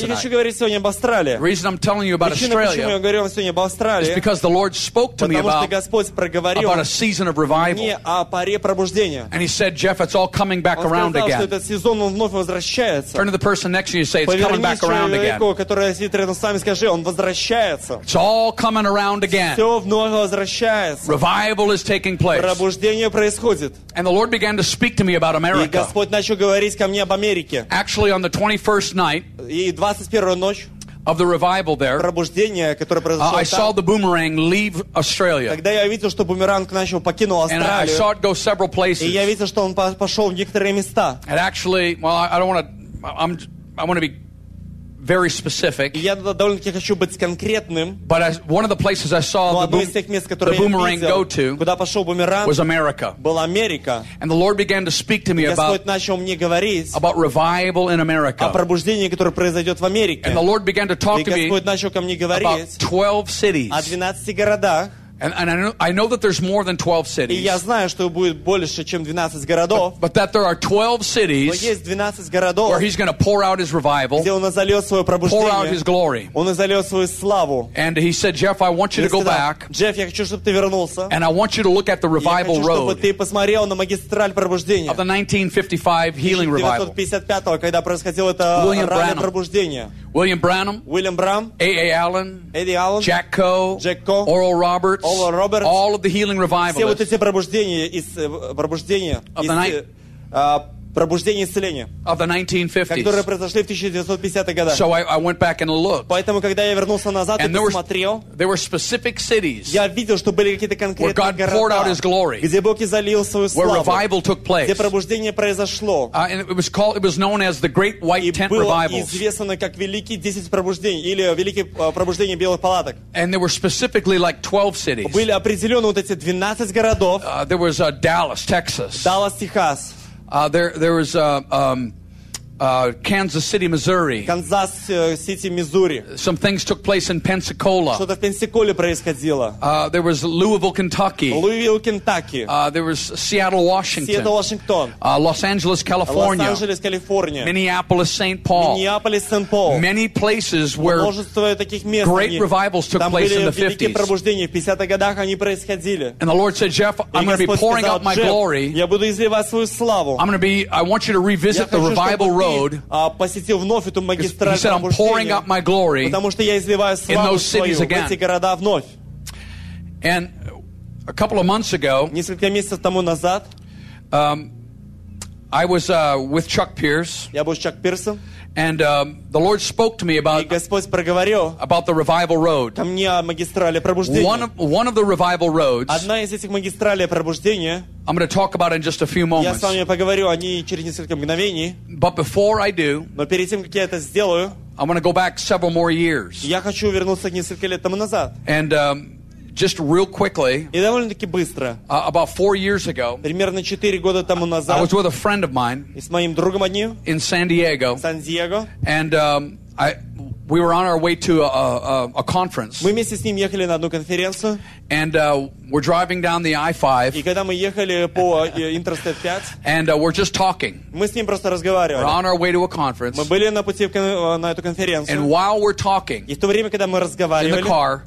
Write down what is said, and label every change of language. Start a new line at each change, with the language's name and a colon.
Russian: Я не хочу говорить сегодня об Австралии.
English: The reason I'm telling you about Australia.
Russian: Причина, почему я говорю вам сегодня об Австралии.
English: Is because the Lord spoke to me about a season of revival. And he said, Jeff, it's all coming back around again.
Russian: Он сказал, что этот сезон вновь возвращается.
English: Turn to the person next to you and say, it's coming back around again.
Russian: Повернись к человеку, который сидит рядом с вами, скажи, он возвращается.
English: It's all coming around again.
Russian: Все вновь возвращается.
English: Revival is taking place.
Russian: Пробуждение происходит.
English: And the Lord began to speak to me about America.
Russian: И Господь начал говорить ко мне об Америке.
English: Actually, on the 21st night.
Russian: И 21 ночь.
English: Of the revival there,
Russian: пробуждение, которое произошло
English: I saw the boomerang leave Australia.
Russian: Когда я видел, что бумеранг начал покинул Австралию,
English: and I saw it go several places.
Russian: И я видел, что он пошел в некоторые места.
English: And actually, well, I want to be very specific.
Russian: Я довольно-таки хочу быть конкретным.
English: But one of the places I saw the boomerang go to,
Russian: куда пошел бумеранг,
English: was America.
Russian: Была Америка.
English: And the Lord began to speak to me about revival in America.
Russian: О пробуждении, которое произойдет в Америке.
English: And the Lord began to talk to me.
Russian: И Господь начал ко мне говорить.
English: About 12 cities.
Russian: О 12 городах.
English: And I know that there's more than 12 cities.
Russian: И я знаю, что будет больше, чем 12 городов.
English: But that there are 12 cities.
Russian: Но есть 12 городов.
English: Where he's going to pour out his revival.
Russian: Где он изольет свое пробуждение.
English: Pour out his glory.
Russian: Он изольет свою славу.
English: And he said, Jeff, I want you to go back.
Russian: Джефф, я хочу, чтобы ты вернулся.
English: And I want you to look at the revival road.
Russian: Я хочу, чтобы ты посмотрел на магистраль пробуждения.
English: Of the 1955 healing revival.
Russian: 1955, когда происходило это раннее пробуждение.
English: William Branham, A.A. Allen, Jack Coe, Oral Roberts, all of the healing revivalists
Russian: все вот эти пробуждения из,
English: of the night.
Russian: пробуждение исцеления,
English: of the 1950s.
Russian: Которые произошли в 1950-х годах.
English: So I went back and looked.
Russian: Поэтому, когда я вернулся назад
English: and
Russian: и посмотрел,
English: there were specific cities,
Russian: я видел, что были какие-то конкретные
English: where God
Russian: города,
English: poured out his glory,
Russian: где Бог излил свою славу,
English: where revival took place.
Russian: Где пробуждение произошло.
English: And it was called, it was known as the Great White Tent Revivals.
Russian: И было известно как Великие 10 пробуждений или Великие пробуждения белых палаток.
English: And there were specifically like 12 cities.
Russian: Были определенно вот эти 12 городов.
English: There was Dallas, Texas. Dallas, Texas. There was Kansas City, Missouri. Kansas City, Missouri. Some things took place in Pensacola.
Russian: Что-то в Пенсаколе происходило.
English: There was Louisville, Kentucky. Louisville, Kentucky. There was Seattle, Washington. Seattle, Washington. Los Angeles, California. Los Angeles, California. Minneapolis, Saint Paul. Minneapolis, Saint Paul. Many places where
Russian: множество таких мест.
English: Great revivals took place in the 50s.
Russian: Великие пробуждения в 50-х годах они происходили.
English: And the Lord said, Jeff, I'm going to be pouring out my glory.
Russian: Я буду изливать свою славу.
English: I'm going to be. I want you to revisit the revival. Road,
Russian: посетил вновь эту магистраль
English: he said, I'm pouring out my glory
Russian: потому что я изливаю славу свою в эти города вновь.
English: And a couple of months ago,
Russian: несколько месяцев тому назад,
English: I was with Chuck Pierce.
Russian: Я был с Чак Пирсом.
English: And the Lord spoke to me about the revival road.
Russian: Ко мне о магистрали пробуждения.
English: One of the revival roads.
Russian: Одна из этих магистралей пробуждения.
English: I'm going to talk about it in just a few moments.
Russian: Я с вами поговорю о ней через несколько мгновений.
English: But before I do,
Russian: но перед тем как я это сделаю,
English: I'm going to go back several more years.
Russian: Я хочу вернуться несколько лет тому назад.
English: And just real quickly,
Russian: и довольно-таки быстро,
English: about 4 years ago,
Russian: примерно 4 года тому назад,
English: I was with a friend of mine,
Russian: и с моим другом одним,
English: in San Diego,
Russian: Сан-Диего,
English: and we were on our way to a conference.
Russian: Мы вместе с ним ехали на одну конференцию.
English: And we're driving down the I-5.
Russian: И когда мы ехали по Interstate 5.
English: And we're just talking.
Russian: Мы с ним просто разговаривали.
English: We're on our way to a conference.
Russian: Мы были на пути на эту конференцию.
English: And while we're talking,
Russian: и в то время, когда мы разговаривали,
English: in the car,